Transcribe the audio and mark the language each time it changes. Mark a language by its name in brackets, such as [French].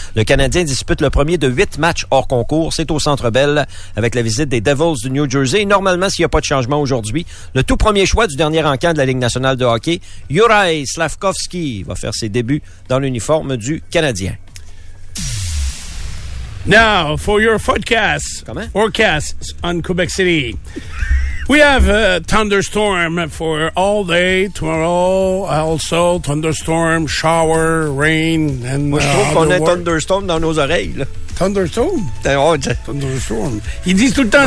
[French] Le Canadien dispute le premier de 8 matchs hors concours. C'est au Centre Bell avec la visite des Devils du New Jersey. Et normalement, s'il n'y a pas de changement aujourd'hui, le tout premier choix du dernier encamp de la Ligue nationale de hockey, Juraj Slafkovský, va faire ses débuts dans l'uniforme du Canadien. [English] Now, for your forecast. [French] Comment? [English] Forecast on Quebec City. We have a thunderstorm for all day, tomorrow, also thunderstorm, shower, rain, and [French] moi, je trouve qu'on a thunderstorm dans nos oreilles, là. [English] Thunderstorm? Thunderstorm. [French] Ils disent tout le temps